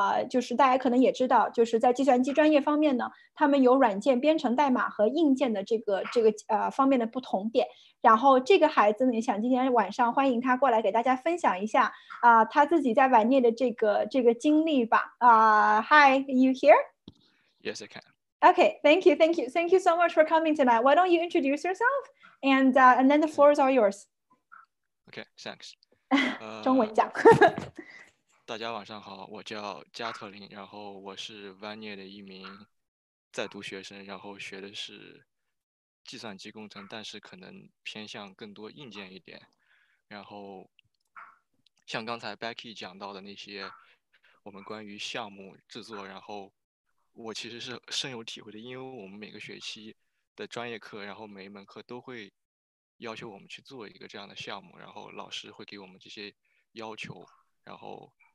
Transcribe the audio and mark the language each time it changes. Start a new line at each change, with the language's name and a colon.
Chinese: 就是大家可能也知道，就是在计算机专业方面呢，他们有软件编程代码和硬件的这个方面的不同点。然后这个孩子呢，也想今天晚上欢迎他过来给大家分享一下他自己在晚念的这个经历吧。
English: Hi, you here? Yes, I can. Okay, thank you, thank you, thank you so much for coming tonight. Why don't you introduce yourself? And then the floor is all yours. Okay, thanks.
Chinese: 中文讲。大家晚上好，我叫加特林，然后我是 Vanier 的一名在读学生，然后学的是计算机工程，但是可能偏向更多硬件一点。然后像刚才 Becky 讲到的那些我们关于项目制作，然后我其实是深有体会的，因为我们每个学期的专业课，然后每一门课都会要求我们去做一个这样的项目，然后老师会给我们这些要求，然后